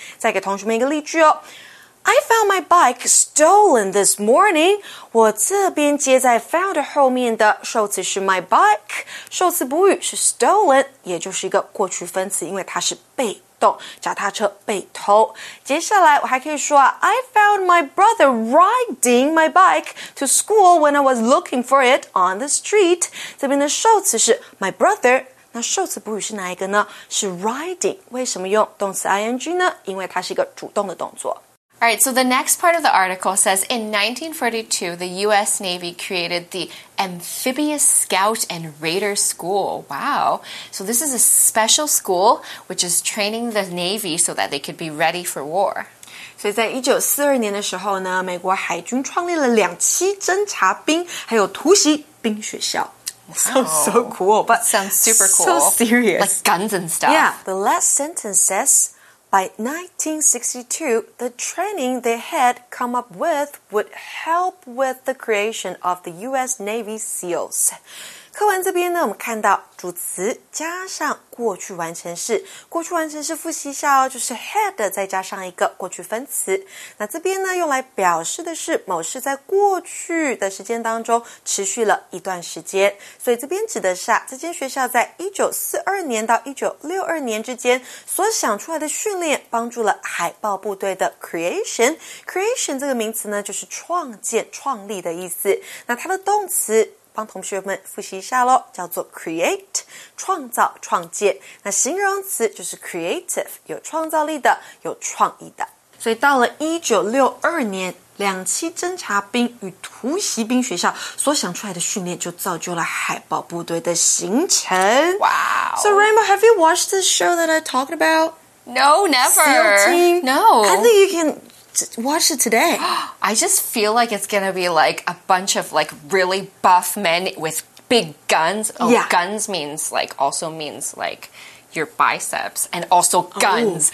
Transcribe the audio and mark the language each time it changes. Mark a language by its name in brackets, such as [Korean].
[Chinese] 再给同学们一个例句哦 [English] I found my bike stolen this morning [Chinese] 我这边接在 found 后面的受词是 my bike 受词补语是 stolen 也就是一个过去分词因为它是被动脚踏车被偷接下来我还可以说、啊、 [English] I found my brother riding my bike to school when I was looking for it on the street [Chinese] 这边的受词是 my brother那受词补语是哪一个呢？是 riding。为什么用动词 ing 呢？因为它是一个主动的动作。 [English] Alright, so the next part of the article says, in 1942, the U.S. Navy created the Amphibious Scout and Raider School. Wow. So this is a special school which is training the Navy so that they could be ready for war. [Chinese] 所以在1942年的时候呢，美国海军创立了两栖侦察兵，还有突袭兵学校。 [English] So cool, but sounds super cool. So serious. Like guns and stuff. Yeah. The last sentence says, by 1962, the training they had come up with would help with the creation of the U.S. Navy SEALs. [Chinese] 课文这边呢，我们看到主词加上过去完成式，过去完成式复习一下哦，就是 had 再加上一个过去分词。那这边呢，用来表示的是某事在过去的时间当中持续了一段时间，所以这边指的是啊，这间学校在1942年到1962年之间所想出来的训练，帮助了海豹部队的 creation。 creation 这个名词呢，就是创建、创立的意思。那它的动词。帮同学们复习一下咯叫做 create, 创造、创建。那形容词就是 creative, 有创造力的、有创意的。所以到了1962年两栖侦察兵与突袭兵学校所想出来的训练就造就了海豹部队的形成。 [English] Wow! So Rainbow, have you watched this show that I talked about? No, never! SEAL Team? No! I think you can Watch it today. I just feel like it's going to be like a bunch of like really buff men with big guns. Oh, yeah. Guns means like also means like your biceps and also guns.